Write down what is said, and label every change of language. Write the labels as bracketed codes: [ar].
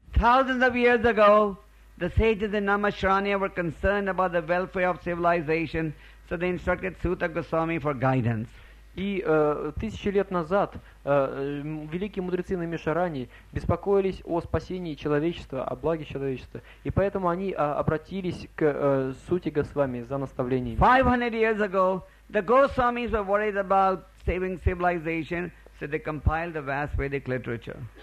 [en] Thousands of years ago, the sages in Namasharanya were concerned about the welfare of civilization, so they instructed Suta Goswami for guidance. [ru] И тысячи лет назад великие мудрецы Намишарани беспокоились о спасении человечества, о благе человечества. И поэтому они обратились к Сути Госвами за наставлением. [en] 500 years ago, the Goswamis were worried about saving civilization, so they compiled the vast Vedic literature.